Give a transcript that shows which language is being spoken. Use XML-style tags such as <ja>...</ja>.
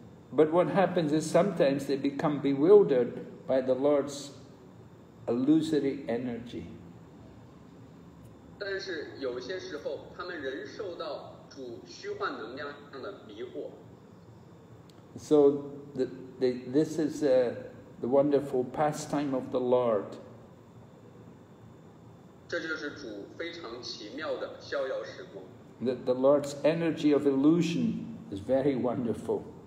<en>But what happens is sometimes they become bewildered by the Lord's illusory energy.</en> <zh>但是有些时候, 他们人受到主虚幻能量上的迷惑。</zh> <en>So this is the wonderful pastime of the Lord. The Lord's energy of illusion is very wonderful.</en>